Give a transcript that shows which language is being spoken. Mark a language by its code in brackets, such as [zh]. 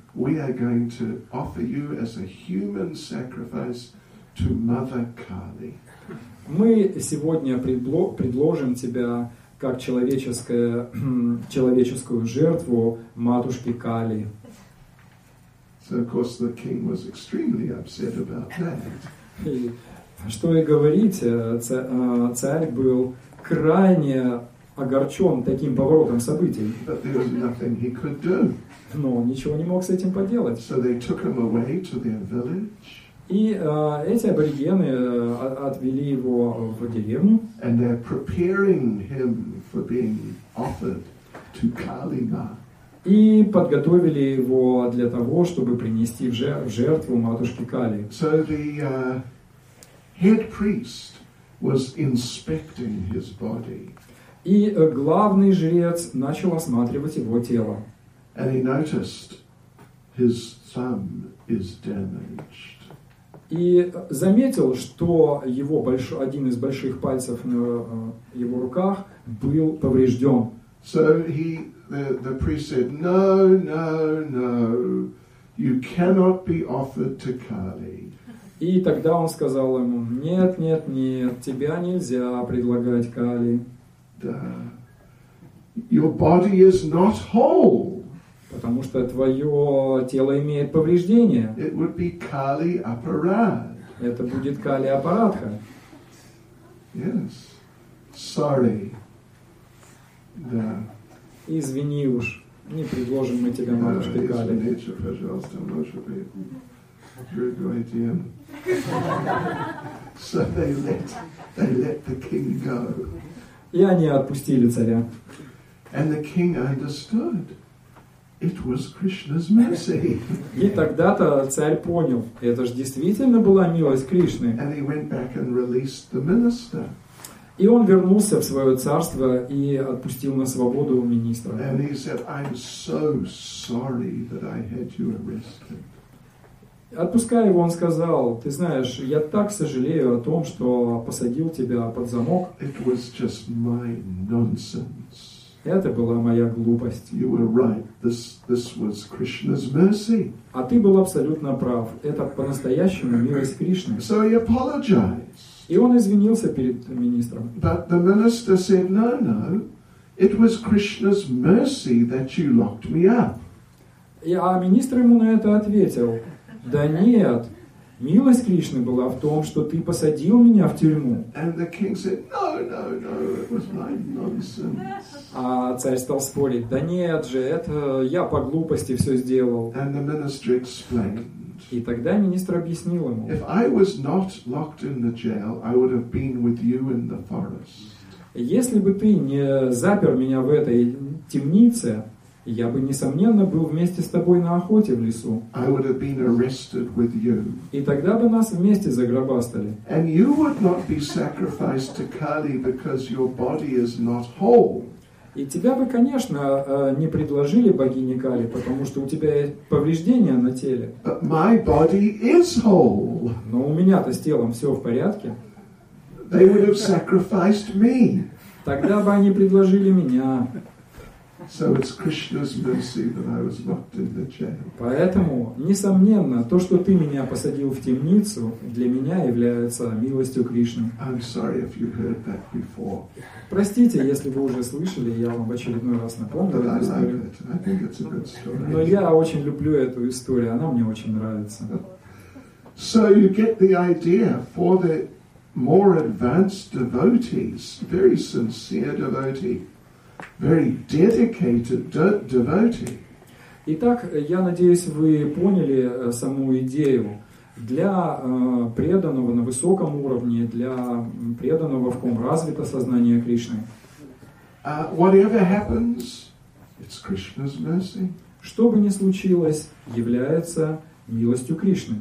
[en] We are going to offer you as a human sacrifice to Mother Kali. [ru] Мы сегодня предложим тебя как человеческую жертву матушке Кали. [en] So, of course, the king was extremely upset about that. [ru] Что и говорить, царь был крайне огорчен таким поворотом событий. [en] But there was nothing he could do. [ru] Но он ничего не мог с этим поделать. [en] So they took him away to their village. [ru] И эти аборигены отвели его в деревню. [en] And they're preparing him for being offered to Kalima. [ru] И подготовили его для того, чтобы принести в жертву матушке Кали. [en] So the head priest was inspecting his body. [ru] И главный жрец начал осматривать его тело. [en] And he noticed his thumb is damaged. [ru] И заметил, что его один из больших пальцев на его руках был поврежден. [en] So the priest said, "No, no, no, you cannot be offered to Kali." [ru] И тогда он сказал ему, нет, нет, нет, тебя нельзя предлагать Кали. [en] Your body is not whole. [ru] Потому что твое тело имеет повреждения. [en] It would be Kali Aparad. [ru] Это будет Кали Апарадха. [en] Yes. Sorry. [ru] Да. Извини уж, не предложим мы тебе матушке Кали. Извините, пожалуйста, может быть, другой тем. [en] So they let the king go. [ru] И они отпустили царя. [en] And the king understood it was Krishna's mercy. [ru] И тогда-то царь понял, это же действительно была милость Кришны. [en] And he went back and released the minister. [ru] И он вернулся в свое царство и отпустил на свободу министра. [en] And he said, I'm so sorry that I had you arrested. [ru] Отпуская его, он сказал, ты знаешь, я так сожалею о том, что посадил тебя под замок. [en] It was just my nonsense. [ru] Это была моя глупость. [en] You were right. This was Krishna's mercy. [ru] А ты был абсолютно прав. Это по-настоящему милость Кришны. [en] So he apologized. [ru] И он извинился перед министром. [en] But the minister said, no, no, it was Krishna's mercy that you locked me up. [ru] А министр ему на это ответил. Да нет, милость Кришны была в том, что ты посадил меня в тюрьму. [en] And the king said, no, no, no, it was my nonsense. [ru] А царь стал спорить, да нет же, это я по глупости все сделал. [en] And the minister explained. [ru] И тогда министр объяснил ему. [en] If I was not locked in the jail, I would have been with you in the forest. [ru] Если бы ты не запер меня в этой темнице, я бы, несомненно, был вместе с тобой на охоте в лесу. [en] I would have been arrested with you. [ru] И тогда бы нас вместе загробастали. [en] And you would not be sacrificed to Kali because your body is not whole. [ru] И тебя бы, конечно, не предложили богине Кали, потому что у тебя есть повреждения на теле. [en] But my body is whole. [ru] Но у меня-то с телом все в порядке. [en] They would have sacrificed me. [ru] Тогда бы они предложили меня. [en] So it's Krishna's mercy that I was locked in the jail. [ru] Поэтому, несомненно, то, что ты меня посадил в темницу, для меня является милостью Кришны. [en] I'm sorry if you heard that before. [ru] Простите, если вы уже слышали, я вам в очередной раз напомню. [en] But I like it. I think it's a good story. [ru] Но я очень люблю эту историю, она мне очень нравится. [en] So you get the idea for the more advanced devotees, very sincere devotee, very dedicated devotee. [ru] Итак, я надеюсь, вы поняли саму идею. Для преданного на высоком уровне, для преданного, в ком развито сознание Кришны. [en] Whatever happens, it's Krishna's mercy. [ru] Что бы ни случилось, является милостью Кришны.